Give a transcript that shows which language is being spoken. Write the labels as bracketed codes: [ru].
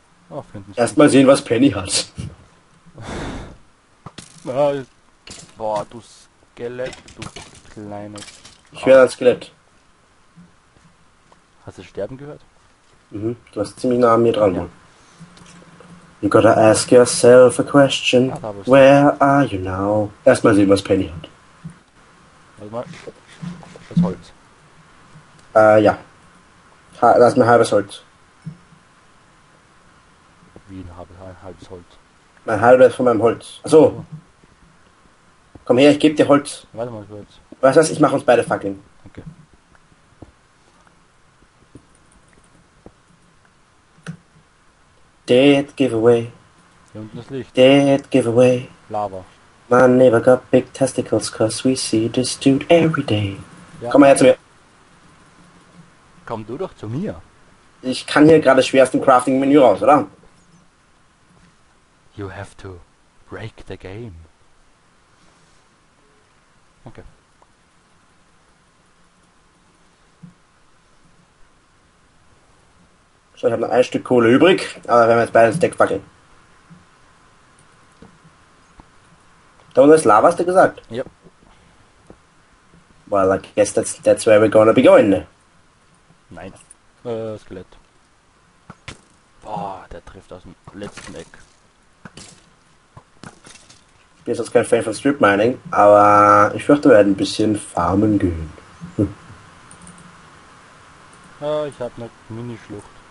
[de] Ach, finden Sie. Erstmal sehen, was Penny hat. Boah, du Skelett, du kleines. Ich werde ein Skelett. Hast du sterben gehört? Mhm, du warst ziemlich nah an mir dran. Ja. [en] You gotta ask yourself a question. [de] Ja, [en] where are you now? [de] Erstmal sehen, was Penny hat. Warte mal. Das Holz. Ja. Lass mir halbes Holz. Wie ein halbes Holz? Mein halbes von meinem Holz. Achso. Komm her, ich geb dir Holz. Warte mal kurz. Weißt du was, ich mach uns beide Fackeln. Danke. [en] Dead giveaway. [de] Hier unten das Licht. [en] Dead giveaway. [de] Lava. [en] My neighbor got big testicles, cause we see this dude every day. [de] Ja. Komm mal her zu mir. Komm du doch zu mir. Ich kann hier gerade schwer aus dem Crafting-Menü raus, oder? [en] You have to break the game. Okay. [de] So, ich habe noch ein Stück Kohle übrig, aber wenn wir jetzt beide das Deck fackeln. Da unten ist Lava, hast du gesagt? [en] Yep. Well, I guess that's where we're gonna be going. [de] Nein. Skelett. Boah, der trifft aus dem letzten Eck. Ich bin jetzt kein Fan von Strip Mining, aber ich fürchte, wir werden ein bisschen farmen gehen. Hm. Ah, ich habe eine Minischlucht.